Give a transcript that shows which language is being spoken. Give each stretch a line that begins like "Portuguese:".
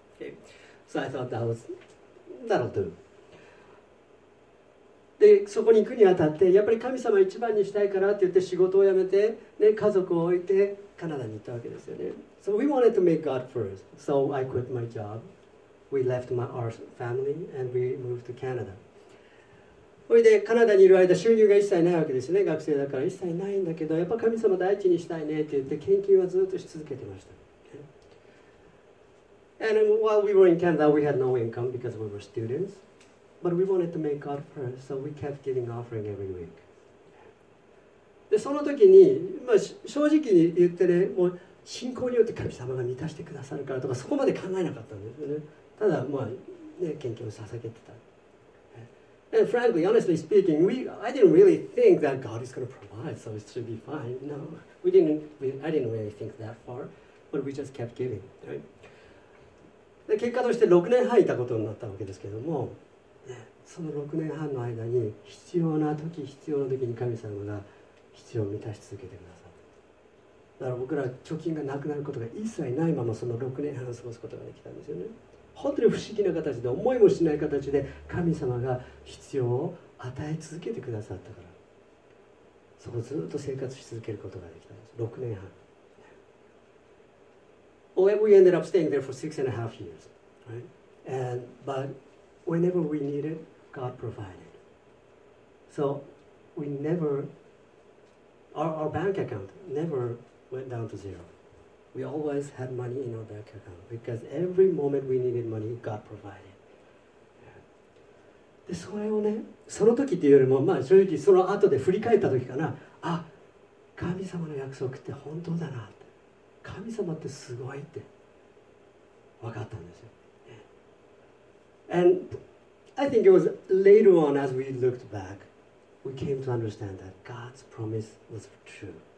English: Okay, so I thought that'll do
Japanese: で、そこに行くにあたってやっぱり神様一番にしたいからって言って仕事を辞めて、ね、家族を置いてカナダに行ったわけですよね。
English: So we wanted to make God first. So I quit my job. We left our family and we moved to Canada.
Japanese: それでカナダにいる間収入が一切ないわけですよね。学生だから一切ないんだけど、やっぱ神様第一にしたいねって言って研究はずっとし続けてました。
English: And while we were in Canada, we had no income because we were studentsBut we wanted to make God first, so we kept giving offering every week.
Japanese: で、その時に、まあ、正直に言ってね、もう信仰によって神様が満たしてくださるからとか、そこまで考えなかったんですよね。ただ、まあ、ね、献金を捧げてた。
English: And frankly, honestly speaking, I didn't really think that God is going to provide, so it should be fine. No, I didn't really think that far, but we just kept giving, right?
Japanese: で、結果として6年半いたことになったわけですけども、その6年半の間に必要な時、必要な時に神様が必要を満たし続けてくださった。だから僕ら貯金がなくなることが一切ないままその6年半を過ごすことができたんですよね。本当に不思議な形で、思いもしない形で神様が必要を与え続けてくださったから、そこずっと生活し続けることができたんです。 6年半。
English: Well, we ended up staying there for 6.5 years, right? And butWhenever we needed, God provided. So we never, our bank account never went down to zero. We always had money in our bank account because every moment we needed money, God provided.
Japanese: でそれをね、その時っていうよりも、まあ、正直その後で振り返った時かな、あ、神様の約束って本当だなって、神様ってすごいって分かったんですよ。
English: And I think it was later on as we looked back, we came to understand that God's promise was true.